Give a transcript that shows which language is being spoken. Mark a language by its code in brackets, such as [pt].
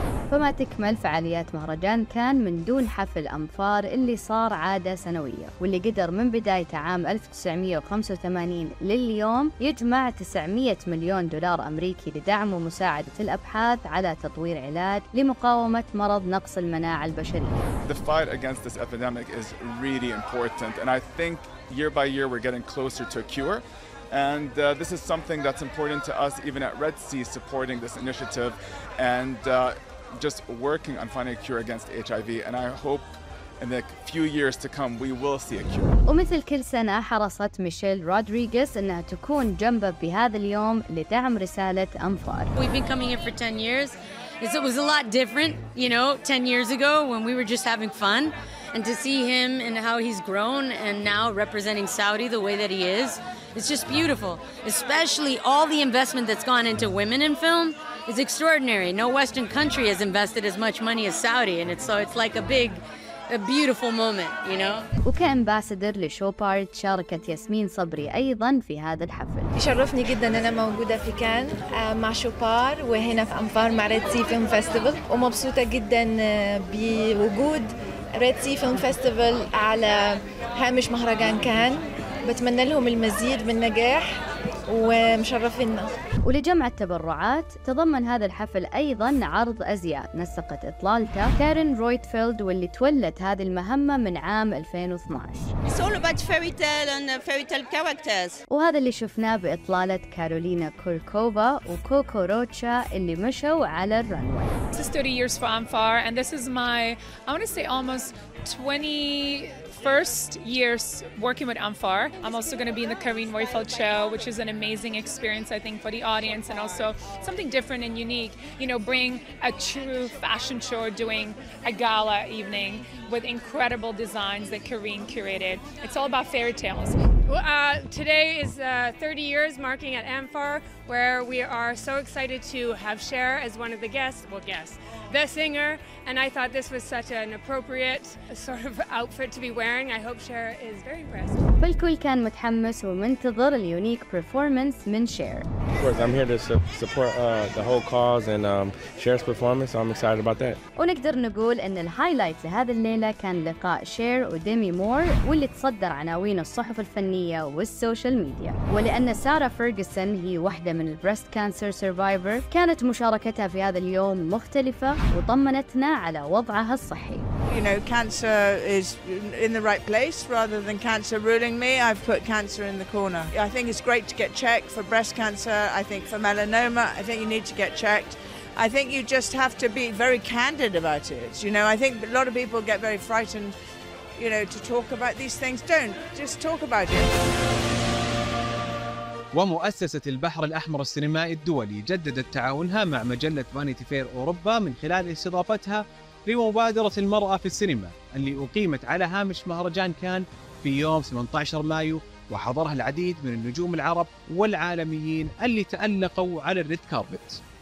[ar] فما تكمل فعاليات مهرجان كان من دون حفل أنفار اللي صار عادة سنوية، واللي قدر من بداية عام 1985 لليوم يجمع 900 مليون دولار أمريكي لدعم ومساعدة الأبحاث على تطوير علاج لمقاومة مرض نقص المناعة البشرية. [en] The fight against this epidemic is really important, and I think year by year we're getting closer to a cure. And this is something that's important to us even at Red Sea supporting this initiative and just working on finding a cure against HIV, and I hope in the few years to come we will see a cure. [ar] ومثل كل سنة حرصت ميشيل رودريغيز أنها تكون جنبه بهذا اليوم لدعم رسالة أنفار. [en] We've been coming here for 10 years. It was a lot different, you know, 10 years ago when we were just having fun. And to see him and how he's grown and now representing Saudi the way that he is, it's just beautiful. Especially all the investment that's gone into women in film is extraordinary. No Western country has invested as much money as Saudi, and it's like a beautiful moment, you know? [ar] وكأمباسدر لشوبارت شاركت ياسمين صبري أيضاً في هذا الحفل. يشرفني جداً أنا موجودة في كان مع شوبار وهنا في أنفار مع ريد سي فيلم فيستيفال ومبسوطة جداً بوجود ريد سي فيلم فيستيفال على هامش مهرجان كان. بتمنى لهم المزيد من النجاح ومشرفنا. ولجمع التبرعات تضمن هذا الحفل أيضا عرض أزياء نسقت إطلالته كارين رويتفيلد واللي تولت هذه المهمة من عام 2012. [en] It's all about fairy tale and fairy tale characters. [ar] وهذا اللي شفناه بإطلالة كارولينا كولكوفا وكوكو روتشا اللي مشوا على الرنوي. [en] This is 30 years for Anfar and this is my I want to say almost 21st years working with Anfar. I'm also going to be in the Karine Royfeld show, which is an amazing experience, I think, for the audience and also something different and unique. You know, bring a true fashion show doing a gala evening with incredible designs that Karine curated. It's all about fairy tales. Today is 30 years marking at Anfar, where we are so excited to have Cher as one of the guests, well, guests, the singer, and I thought this was such an appropriate sort of outfit to be wearing. I hope Cher is very impressed. [ar] فالكل كان متحمس ومنتظر اليونيك performance من Cher. [en] Of course, I'm here to support the whole cause and Cher's performance, so I'm excited about that. [ar] ونقدر نقول أن الهايلايت لهذه الليلة كان لقاء Cher وديمي مور واللي تصدر عناوين الصحف الفنية والسوشيال ميديا. ولأن سارة فيرجسون هي واحدة من البريست كانسر سيرفايفر كانت مشاركتها في هذا اليوم مختلفة وطمنتنا على وضعها الصحي. [en] You know, cancer is in the right place rather than cancer ruling me. I've put cancer in the corner. I think it's great to get checked for breast cancer. I think for melanoma, I think you need to get checked. I think you just have to be very candid about it. You know, I think a lot of people get very frightened, you know, to talk about these things. Don't. Just talk about it. [ar] ومؤسسة البحر الأحمر السينمائي الدولي جددت تعاونها مع مجلة فانيتي فير أوروبا من خلال استضافتها لمبادرة المرأة في السينما اللي أقيمت على هامش مهرجان كان في يوم 18 مايو وحضرها العديد من النجوم العرب والعالميين اللي تألقوا على الريد كاربت.